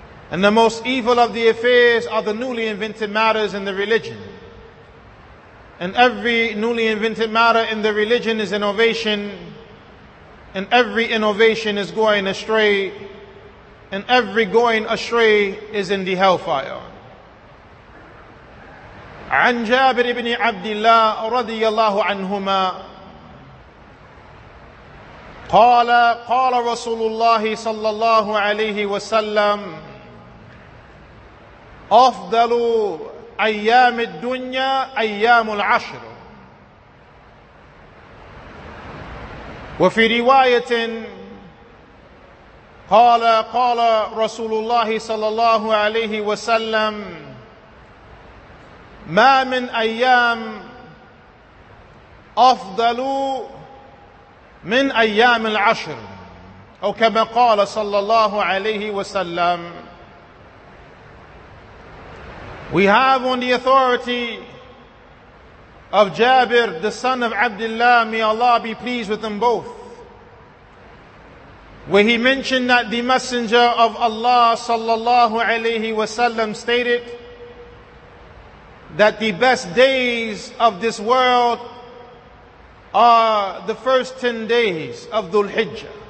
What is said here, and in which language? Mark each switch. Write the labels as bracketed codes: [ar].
[en] And the most evil of the affairs are the newly invented matters in the religion. And every newly invented matter in the religion is innovation. And every innovation is going astray. And every going astray is in the hellfire. [ar] عن جابر بن عبد الله رضي الله عنهما قال رسول الله صلى الله عليه وسلم أفضل أيام الدنيا أيام العشر. وفي رواية قال قال رسول الله صلى الله عليه وسلم ما من أيام أفضل من أيام العشر أو كما قال صلى الله عليه وسلم. [en] We have on the authority of Jabir, the son of Abdullah, may Allah be pleased with them both, where he mentioned that the Messenger of Allah sallallahu alayhi wa sallam stated that the best days of this world are the first 10 days of Dhul Hijjah.